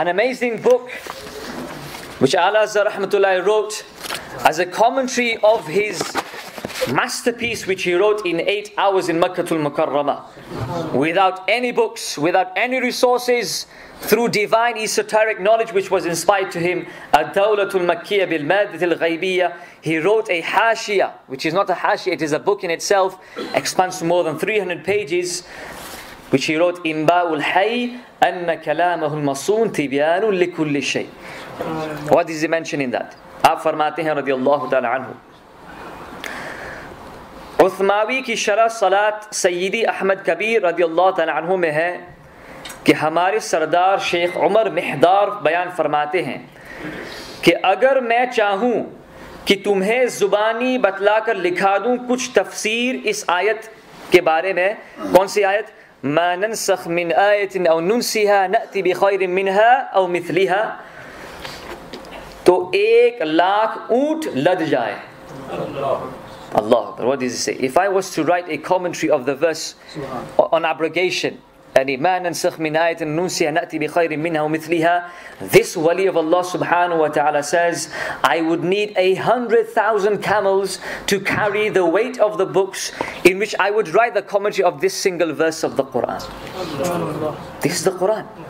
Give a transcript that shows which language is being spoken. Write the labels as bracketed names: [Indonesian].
[English] An amazing book, which Al-Azhar rahmatullahi wrote as a commentary of his masterpiece, which he wrote in 8 hours in Makkatul Mukarramah, without any books, without any resources, through divine esoteric knowledge which was inspired to him, Ad-Dawlatul Makkiyah bil Madatil Ghaybiyah. He wrote a hashiya, which is not a hashiya, it is a book in itself, expands to more than 300 pages, which he wrote, Imba'ul Hayy Anna Kalamahul Masoon Tibyanul Likulli Shay. What is he mentioning that? [Urdu] آپ فرماتے ہیں رضی اللہ تعالی عنہ, عثماوی کی شرح صلات سیدی احمد کبیر رضی اللہ تعالی عنہ میں ہے کہ ہمارے سردار شیخ عمر محدار بیان فرماتے ہیں کہ اگر میں چاہوں کہ تمہیں زبانی بتلا کر لکھا دوں کچھ تفسیر اس آیت کے بارے میں, کون سی آیت, [Arabic] ما ننسخ من آیت او ننسیہا نأتی بخیر منہا او مثلیہا, [Urdu] تو 100,000 اونٹ لد جائے. [English] Allah, what does he say? If I was to write a commentary of the verse on abrogation, [Arabic] ما ننسخ من آیت ننسیہا نأتی بخیر منہا او مثلیہا, [English] this wali of Allah subhanahu wa ta'ala says, I would need 100,000 camels to carry the weight of the books in which I would write the commentary of this single verse of the Quran. This is the Quran.